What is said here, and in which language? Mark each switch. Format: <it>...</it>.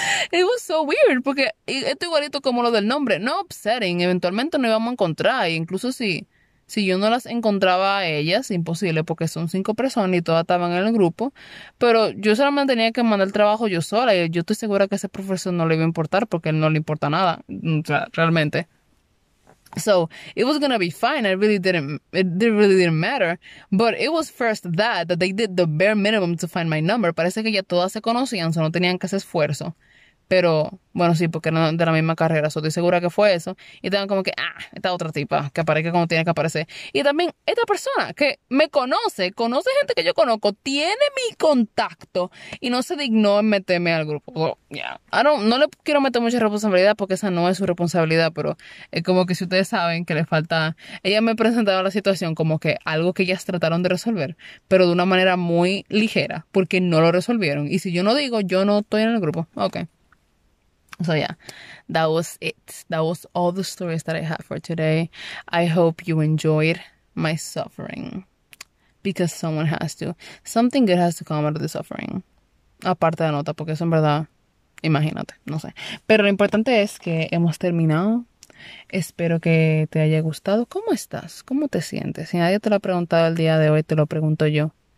<en>It was so weird,</en> <es>porque esto igualito como lo del nombre, no upsetting, eventualmente no íbamos a encontrar, e incluso si yo no las encontraba a ellas, imposible, porque son 5 personas y todas estaban en el grupo, pero yo solamente tenía que mandar el trabajo yo sola, y yo estoy segura que a ese profesor no le iba a importar, porque a él no le importa nada, o sea, realmente.</es> <en>So, it was gonna be fine, it really didn't matter, but it was first that they did the bare minimum to find my number.</en> <es>Parece que ya todas se conocían, o sea, no tenían que hacer esfuerzo, pero, bueno, sí, porque eran de la misma carrera, so, estoy segura que fue eso, y tengo como que, ah, esta otra tipa, que aparezca como tiene que aparecer, y también, esta persona, que me conoce gente que yo conozco, tiene mi contacto, y no se dignó en meterme al grupo, so, ya, yeah. No le quiero meter mucha responsabilidad, porque esa no es su responsabilidad, pero, como que si ustedes saben que le falta, ella me presentaba la situación como que algo que ellas trataron de resolver, pero de una manera muy ligera, porque no lo resolvieron, y si yo no digo, yo no estoy en el grupo, ok.</es> <en>So yeah, that was it. That was all the stories that I had for today. I hope you enjoyed my suffering. Because someone has to. Something good has to come out of the suffering.</en> <es>Aparte de la nota, porque eso en verdad, imagínate, no sé. Pero lo importante es que hemos terminado. Espero que te haya gustado. ¿Cómo estás? ¿Cómo te sientes? Si nadie te lo ha preguntado el día de hoy, te lo pregunto yo.</es>